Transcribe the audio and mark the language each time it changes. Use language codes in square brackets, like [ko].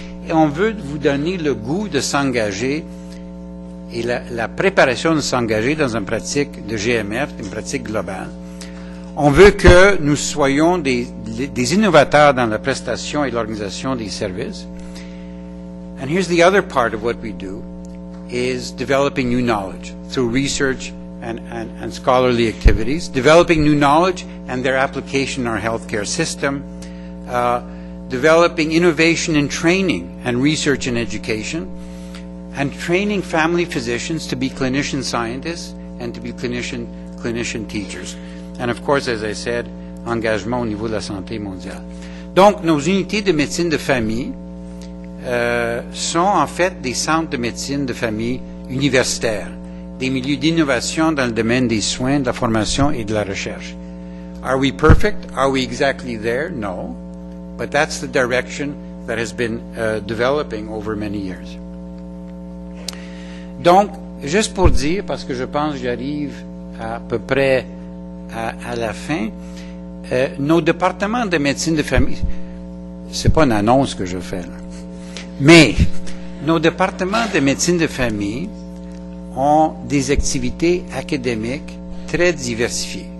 [fr] Et on veut vous donner le goût de s'engager et la préparation de s'engager dans une pratique de GMF, une pratique globale. On veut que nous soyons des innovateurs dans la prestation et l'organisation des services. [en] And here's the other part of what we do, is developing new knowledge through research and scholarly activities, developing new knowledge and their application in our healthcare system, developing innovation in training and research and education, and training family physicians to be clinician scientists and to be clinician teachers. And of course, as I said, [fr] engagement au niveau de la santé mondiale. Donc, nos unités de médecine de famille sont en fait des centres de médecine de famille universitaires, des milieux d'innovation dans le domaine des soins, de la formation et de la recherche. [en] Are we perfect? Are we exactly there? No. But that's the direction that has been developing over many years. [fr] Donc, juste pour dire, parce que je pense que j'arrive à peu près à la fin, nos départements de médecine de famille, c'est pas une annonce que je fais, là. Mais nos départements de médecine de famille ont des activités académiques très diversifiées.